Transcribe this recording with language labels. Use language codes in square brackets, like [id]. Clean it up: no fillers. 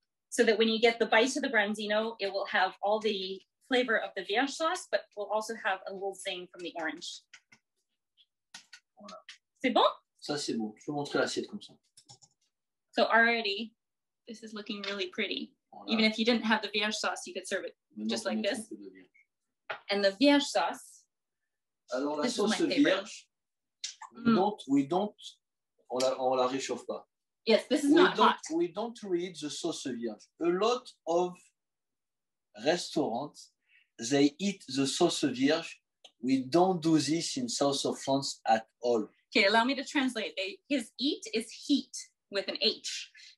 [en] So that when you get the bite of the branzino, it will have all the flavor of the Vierge sauce, but will also have a little zing from the orange. [fr] Voilà. C'est bon? Ça, c'est bon. Je peux montrer l'assiette comme ça. [en] So already... This is looking really pretty. Voilà. Even if you didn't have the Vierge sauce, you could serve it maintenant, just like this. And the Vierge sauce. [fr] Alors, la sauce Vierge, on la réchauffe pas. [en] Yes, this is hot. We don't read the sauce Vierge. A lot of restaurants, they eat the sauce Vierge. We don't do this in south of France at all. Okay, allow me to translate. His eat is heat with an H.